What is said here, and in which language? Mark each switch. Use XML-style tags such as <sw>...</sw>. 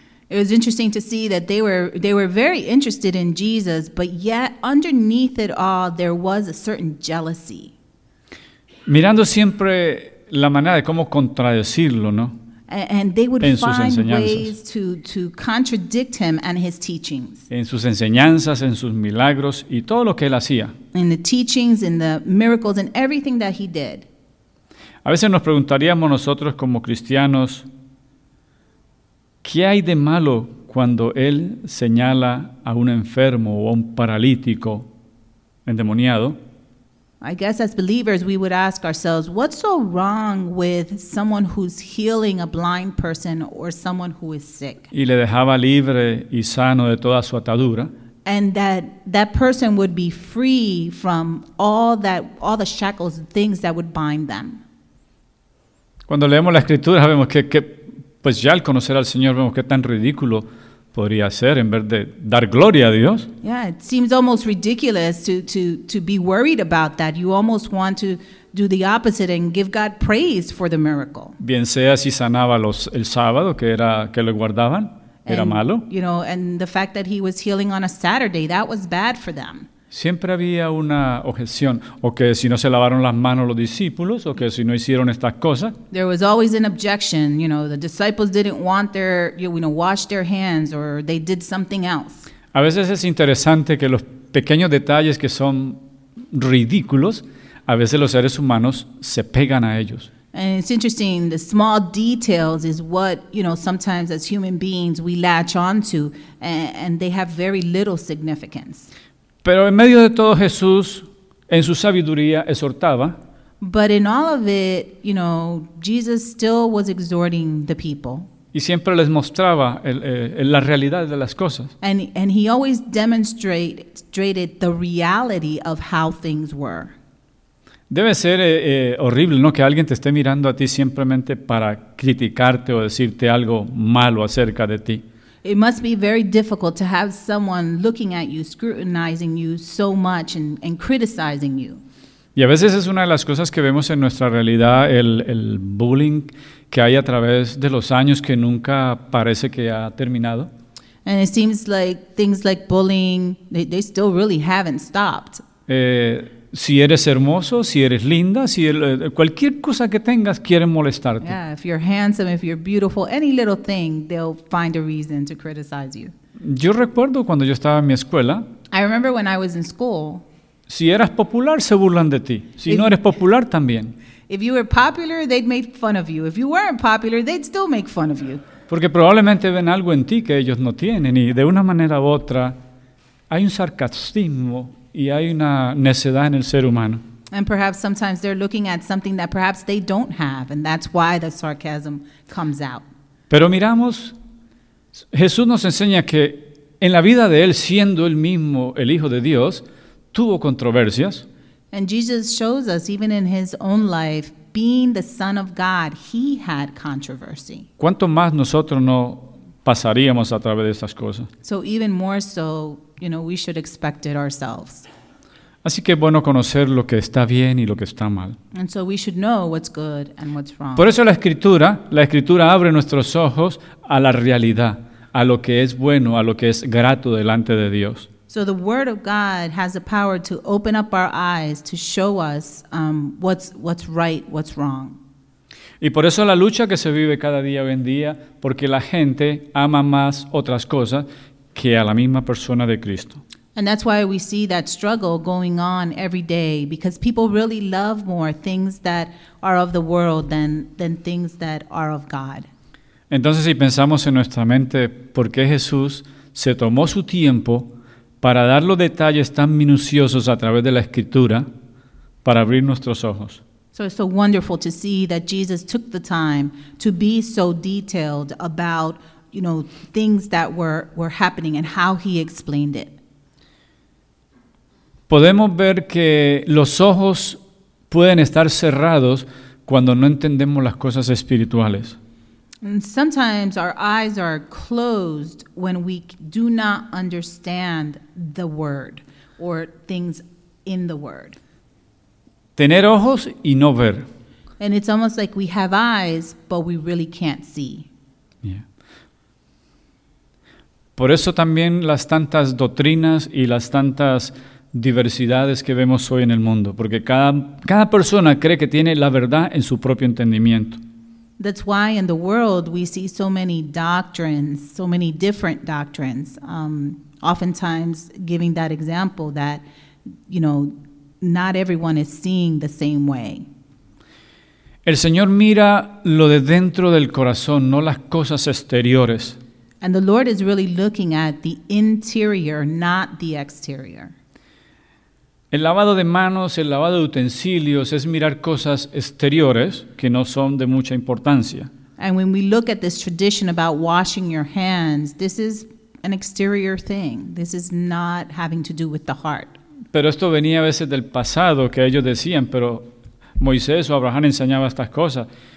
<en>It was interesting to see that they were very interested in Jesus, but yet underneath it all there was a certain jealousy.</en> <es>Mirando siempre la manera de cómo contradecirlo, ¿no?</es> <en>And they would find ways to contradict him and his teachings.</en> <es>En sus enseñanzas, en sus milagros y todo lo que él hacía.</es> <en>In the teachings, in the miracles, and everything that he did.</en> <es>A veces nos preguntaríamos nosotros como cristianos, ¿qué hay de malo cuando él señala a un enfermo o a un paralítico endemoniado?</es> <en>I guess as believers we would ask ourselves, what's so wrong with someone who's healing a blind person or someone who is sick?</en> <es>Y le dejaba libre y sano de toda su atadura.</es> <en>And that person would be free from all the shackles and things that would bind them.</en> <es>Cuando leemos la escritura vemos que pues ya al conocer al Señor vemos qué tan ridículo podría ser en vez de dar gloria a Dios.</es> <en>Yeah, it seems almost ridiculous to be worried about that. You almost want to do the opposite and give God praise for the miracle.</en> <es>Bien sea si sanaba el sábado que lo guardaban, era malo.</es> <en>You know, and the fact that he was healing on a Saturday, that was bad for them.</en> <es>Siempre había una objeción, o que si no se lavaron las manos los discípulos, o que si no hicieron estas cosas.</es> <en>There was always an objection, you know, the disciples didn't want their, you know, wash their hands, or they did something else.</en> <es>A veces es interesante que los pequeños detalles que son ridículos, a veces los seres humanos se pegan a ellos.</es> <en>And it's interesting, the small details is what, you know, sometimes as human beings we latch onto, and they have very little significance.</en> <es>Pero en medio de todo Jesús, en su sabiduría, exhortaba.</es> <en>But in all of it, you know, Jesus still was exhorting the people.</en> <es>Y siempre les mostraba la realidad de las cosas.</es> <en>And he always demonstrated the reality of how things were.</en> <es>Debe ser horrible, ¿no?, que alguien te esté mirando a ti simplemente para criticarte o decirte algo malo acerca de ti.</es> <en>It must be very difficult to have someone looking at you, scrutinizing you so much and criticizing you.</en> <es>Y a veces es una de las cosas que vemos en nuestra realidad, el bullying que hay a través de los años que nunca parece que ha terminado.</es> <en>And it seems like things like bullying, they still really haven't stopped.</en> <es>Si eres hermoso, si eres linda, si cualquier cosa que tengas quieren molestarte.</es> <en>Yeah, if you're handsome, if you're beautiful, any little thing, they'll find a reason to criticize you.</en> <es>Yo recuerdo cuando yo estaba en mi escuela.</es> <en>I remember when I was in school.</en> <es>Si eras popular, se burlan de ti. Si no eres popular, también.</es> <en>If you were popular, they'd make fun of you. If you weren't popular, they'd still make fun of you.</en> <es>Porque probablemente ven algo en ti que ellos no tienen. Y de una manera u otra, hay un sarcasmo. Y hay una necedad en el ser humano.</es> <en>And perhaps sometimes they're looking at something that perhaps they don't have, and that's why the sarcasm comes out.</en> <es>Pero miramos, Jesús nos enseña que en la vida de él, siendo él mismo el Hijo de Dios, tuvo controversias.</es> <en>And Jesus shows us, even in his own life, being the Son of God, he had controversy.</en> <es>¿Cuánto más nosotros no pasaríamos a través de estas cosas?</es> <en>So even more so, you know, we should expect it ourselves.</en> <es>Así que es bueno conocer lo que está bien y lo que está mal.</es> <en>And so we should know what's good and what's wrong.</en> <es>Por eso la escritura abre nuestros ojos a la realidad, a lo que es bueno, a lo que es grato delante de Dios.</es> <en>So the word of God has the power to open up our eyes to show us what's right, what's wrong.</en> <es>Y por eso la lucha que se vive cada día hoy en día, porque la gente ama más otras cosas que a la misma persona de Cristo.</es> <en>And that's why we see that struggle going on every day, because people really love more things that are of the world than things that are of God.</en> <es>Entonces, si pensamos en nuestra mente, ¿por qué Jesús se tomó su tiempo para dar los detalles tan minuciosos a través de la Escritura para abrir nuestros ojos?</es> <en>So it's so wonderful to see that Jesus took the time to be so detailed about, you know, things that were happening and how he explained it.</en> <es>Podemos ver que los ojos pueden estar cerrados cuando no entendemos las cosas espirituales.</es> <en>And sometimes our eyes are closed when we do not understand the word or things in the word.</en> <es>Tener ojos y no ver.</es> <en>And it's almost like we have eyes, but we really can't see. Yeah.</en> <es>Por eso también las tantas doctrinas y las tantas diversidades que vemos hoy en el mundo, porque cada persona cree que tiene la verdad en su propio entendimiento.</es> <en>That's why in the world we see so many doctrines, so many different doctrines. Oftentimes giving that example that, you know, not everyone is seeing the same way.</en> <es>El Señor mira lo de dentro del corazón, no las cosas exteriores.</es> <en>And the Lord is really looking at the interior, not the exterior.</en> <es>El lavado de manos, el lavado de utensilios es mirar cosas exteriores que no son de mucha importancia.</es> <en>And when we look at this tradition about washing your hands, this is an exterior thing. This is not having to do with the heart.</en> <es>Pero esto venía a veces del pasado, que ellos decían, pero Moisés o Abraham enseñaba estas cosas.</es>